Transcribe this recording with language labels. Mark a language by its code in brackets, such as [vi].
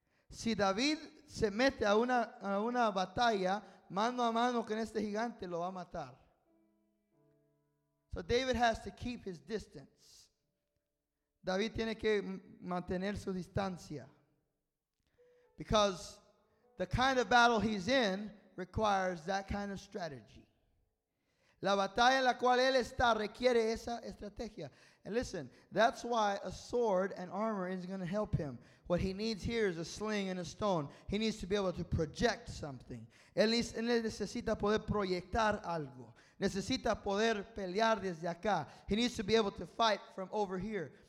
[es] Si David se mete a una batalla mano a mano con este gigante, lo va a matar. [en] So David has to keep his distance. [es] David tiene que mantener su distancia. [en] Because the kind of battle he's in requires that kind of strategy. [es] La batalla en la cual él está requiere esa estrategia. [en] And listen, that's why a sword and armor is going to help him. What he needs here is a sling and a stone. He needs to be able to project something. [es] Él necesita poder proyectar algo. Necesita poder pelear desde acá. [en] He needs to be able to fight from over here.